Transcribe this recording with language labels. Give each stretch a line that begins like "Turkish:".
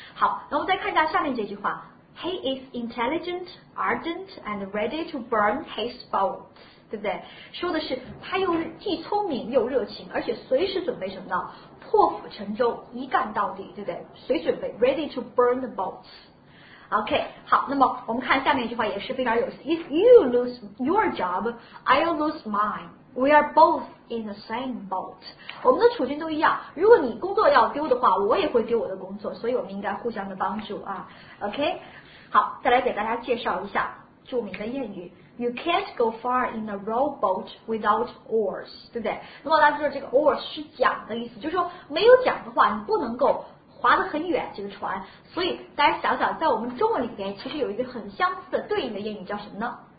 English: 好，那我们再看一下下面这句话 ，He is intelligent, ardent, and ready to burn his boats。
Chinese: 对不对？说的是他又既聪明又热情，而且随时准备什么呢？破釜沉舟，一干到底，对不对？随时准备
English: ready to burn the boats。 OK，
Chinese: 好，那么我们看下面一句话也是非常有意思。
English: If you lose your job, I'll lose mine. We are both in the same boat.
Chinese: 我们的处境都一样，如果你工作要丢的话，我也会丢我的工作，所以我们应该互相的帮助啊。
English: OK，
Chinese: 好，再来给大家介绍一下著名的谚语。
English: You can't go far in a rowboat without oars，
Chinese: 对不对？那么大家知道这个 oars 是桨的意思，就是说没有桨的话，你不能够划得很远这个船。所以大家想想，在我们中文里面，其实有一个很相似的对应的谚语叫什么呢？